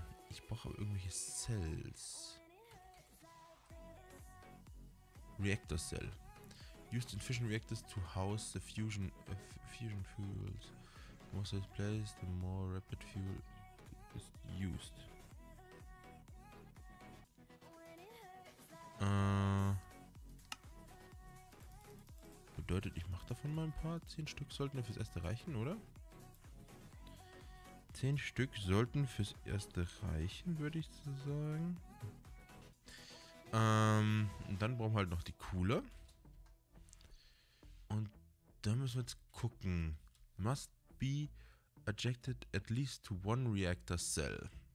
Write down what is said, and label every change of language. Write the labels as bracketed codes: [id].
[de] Ich brauche aber irgendwelche Cells. [en] Reactor Cell. Used in fission reactors to house the fusion fuels. The more cells placed, the more rapid fuel is used. [de] Bedeutet, ich mache davon mal ein paar. 10 Stück sollten fürs erste reichen, oder? 10 Stück sollten fürs erste reichen, würde ich so sagen. Dann brauchen wir halt noch die Kuhle. Und da müssen wir jetzt gucken. [en] Must be ejected at least to one reactor cell.